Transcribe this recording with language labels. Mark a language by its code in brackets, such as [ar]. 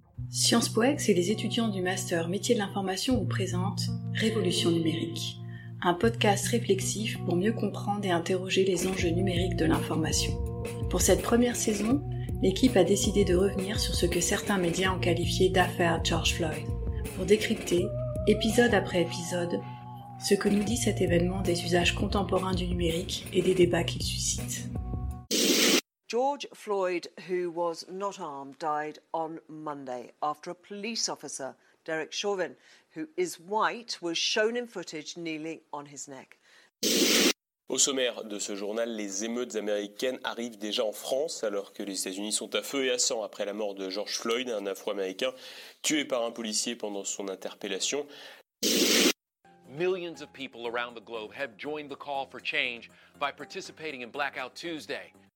[fr] Sciences Po Ex et les étudiants du master métier de l'information vous présentent Révolution numérique, un podcast réflexif pour mieux comprendre et interroger les enjeux numériques de l'information. Pour cette première saison, l'équipe a décidé de revenir sur ce que certains médias ont qualifié d'affaire George Floyd, pour décrypter, épisode après épisode, ce que nous dit cet événement des usages contemporains du numérique et des débats qu'il suscite. [en] George Floyd, who was not armed, died on Monday after a police officer, Derek Chauvin, who is white, was shown in footage kneeling on his neck. [fr] Au sommaire de ce journal, les émeutes américaines arrivent déjà en France, alors que les États-Unis sont à feu et à sang après la mort de George Floyd, un Afro-Américain tué par un policier pendant son interpellation. [en] Millions of people around the globe have joined the call for change by participating in Blackout Tuesday.